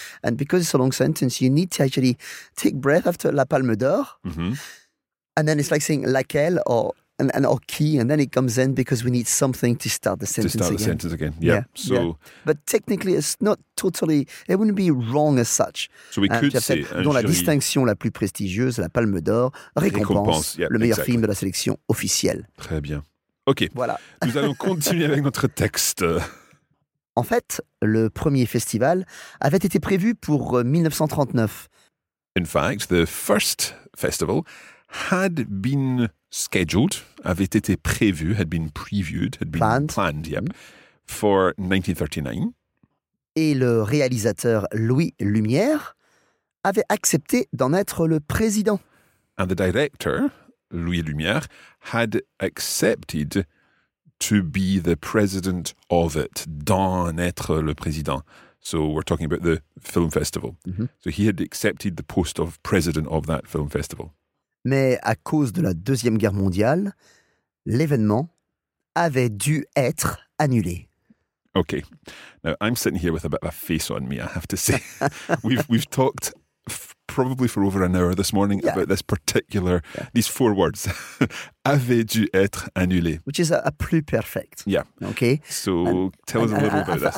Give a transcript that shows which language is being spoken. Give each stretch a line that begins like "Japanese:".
English: And because it's a long sentence, you need to actually take breath after La Palme d'Or. Mm-hmm. And then it's like saying laquelle or qui, and then it comes in because we need something to start the sentence again. Yeah. So, yeah. But technically, it's not totally, it wouldn't be wrong as such. So we could say,
French: dans la distinction la plus prestigieuse, la Palme d'Or, récompense yeah, le meilleur exactly. film de la sélection officielle. Très bien. Ok, voilà. Nous allons continuer avec notre texte. En fait, le premier festival avait été prévu pour 1939.
English: In fact, the first festival had been scheduled,
French: avait été prévu,
English: had been previewed, had been planned, yep, for 1939.
French: Et le réalisateur Louis Lumière avait accepté d'en être le président.
English: And the director, Louis Lumière, had accepted to be the president of it,
French: d'en être le président.
English: So we're talking about the film festival. Mm-hmm. So he had accepted the post of president of that film festival.
French: Mais à cause de la Deuxième Guerre mondiale, l'événement avait dû être annulé.
English: Okay. Now, I'm sitting here with a bit of a face on me, I have to say. we've talked probably for over an hour this morning yeah. about this particular, yeah. these four words.
French: Avait dû être annulé.
English: Which is a plus perfect. Yeah. Okay. So tell us a little about this.